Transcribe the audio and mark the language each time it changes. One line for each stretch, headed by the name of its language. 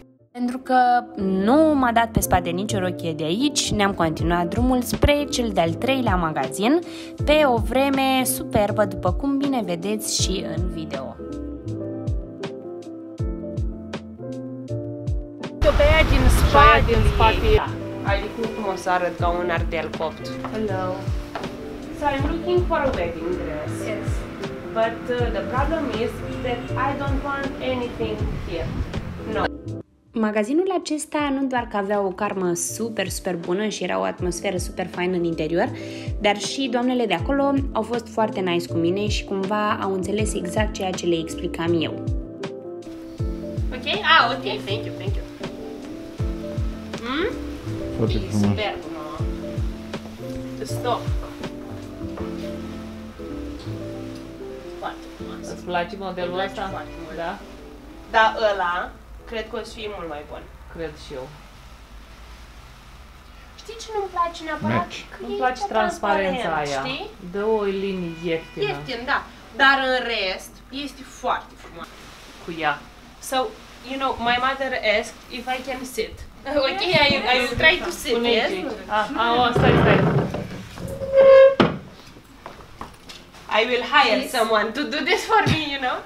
Romanian: Pentru că nu m-a dat pe spate nicio rochie de aici, ne-am continuat drumul spre cel de-al treilea magazin, pe o vreme superbă, după cum bine vedeți și în video. Și-o pe aia din spate. Aia din spate. Adică nu cum o să arăt ca un ardeal copt.
English: Hello. So I'm looking for a wedding dress. Yes. But the problem is that I don't want anything here. No.
Romanian: Magazinul acesta nu doar că avea o carmă super, super bună și era o atmosferă super faină în interior, dar și doamnele de acolo au fost foarte nice cu mine și cumva au înțeles exact ceea ce le explicam eu.
English: Ok? Ah, ok. Thank you, thank you. Hmm?
Romanian: Foarte frumos. Superb, mă. Stop. Foarte frumos. Îți place modelul ăsta? Da. Da, ăla. Cred că o să fie mult mai bun. Cred și eu. Știi ce nu-mi place neapărat? Nu-mi place transparența aia. Știi? Dă o linie ieftină. Ieftin, da. Dar în rest, este foarte frumos. Cu ea.
English: So, you know, my mother asked if I can sit. Ok, I will try to sit, yes?
Romanian: Stai.
English: I will hire please. Someone to do this for me, you know?